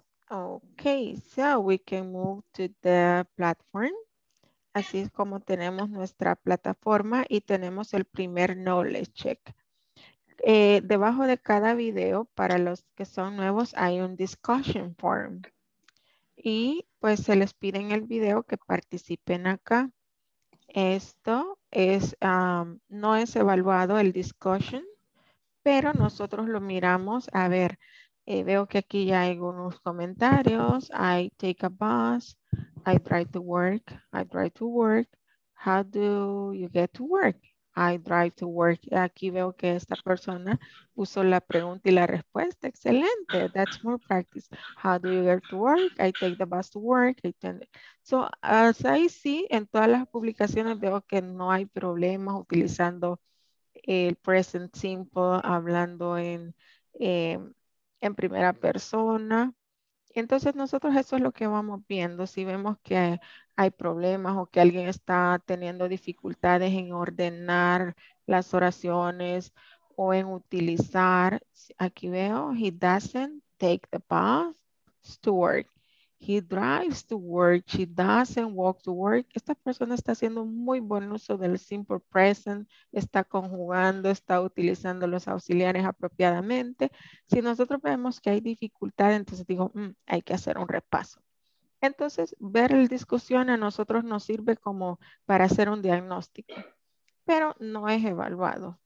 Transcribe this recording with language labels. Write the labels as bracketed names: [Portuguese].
[English] Okay, so we can move to the platform. [Spanish] Así es como tenemos nuestra plataforma y tenemos el primer knowledge check. Debajo de cada video, para los que son nuevos, hay un discussion forum. Y pues se les pide en el video que participen acá. Esto es, no es evaluado el discussion, pero nosotros lo miramos. A ver, veo que aquí ya hay unos comentarios. [English] I take a bus. I drive to work. How do you get to work? I drive to work. [Spanish] Aquí veo que esta persona usó la pregunta y la respuesta. Excelente. [English] That's more practice. How do you get to work? I take the bus to work. I tend it. So, as I see, [Spanish] en todas las publicaciones veo que no hay problemas utilizando el present simple, hablando en primera persona. Entonces, nosotros eso es lo que vamos viendo. Si vemos que hay problemas o que alguien está teniendo dificultades en ordenar las oraciones o en utilizar. Aquí veo, [English] he doesn't take the bus to work. He drives to work. She doesn't walk to work. [Spanish] Esta persona está haciendo muy buen uso del simple present. Está conjugando, está utilizando los auxiliares apropiadamente. Si nosotros vemos que hay dificultad, entonces digo, hay que hacer un repaso. Entonces, ver la discusión a nosotros nos sirve como para hacer un diagnóstico, pero no es evaluado.